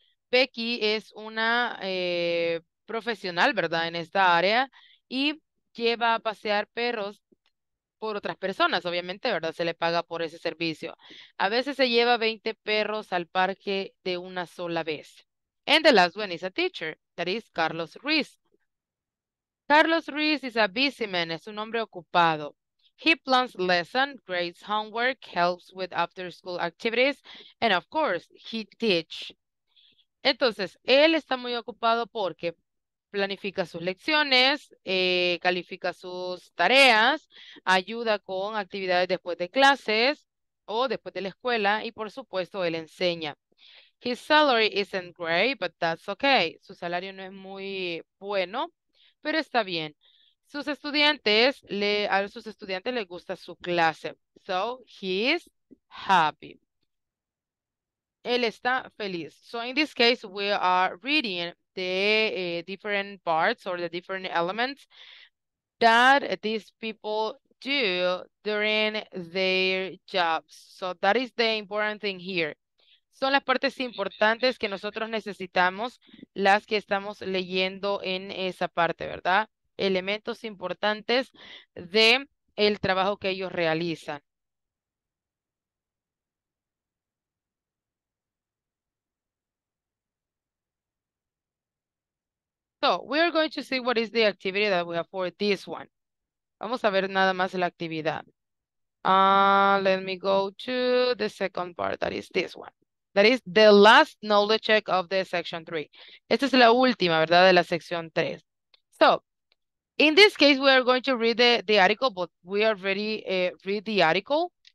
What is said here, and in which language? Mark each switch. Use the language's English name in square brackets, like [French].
[Spanish] Becky es una profesional, ¿verdad?, en esta área y lleva a pasear perros por otras personas, obviamente, ¿verdad?, se le paga por ese servicio. A veces se lleva 20 perros al parque de una sola vez. [English] And the last one is a teacher, that is Carlos Ruiz. Carlos Ruiz is a busy man, [Spanish] es un hombre ocupado. [English] He plans lessons, grades homework, helps with after-school activities, and of course, he teaches. [Spanish] Entonces, él está muy ocupado porque planifica sus lecciones, califica sus tareas, ayuda con actividades después de clases o después de la escuela y por supuesto él enseña. [English] His salary isn't great, but that's okay. [Spanish] Su salario no es muy bueno, pero está bien. A sus estudiantes les gusta su clase. [English] So he's happy. [Spanish] Él está feliz. [English] So in this case, we are reading the different parts or the different elements that these people do during their jobs. So that is the important thing here. [Spanish] Son las partes importantes que nosotros necesitamos, las que estamos leyendo en esa parte, ¿verdad? Elementos importantes de el trabajo que ellos realizan. [English] So, we are going to see what is the activity that we have for this one. [Spanish] Vamos a ver nada más la actividad. [English] Let me go to the second part, that is this one. That is the last knowledge check of the section 3. [Spanish] Esta es la última, ¿verdad?, de la sección 3. [English] So, in this case, we are going to read the article, but we already read the article.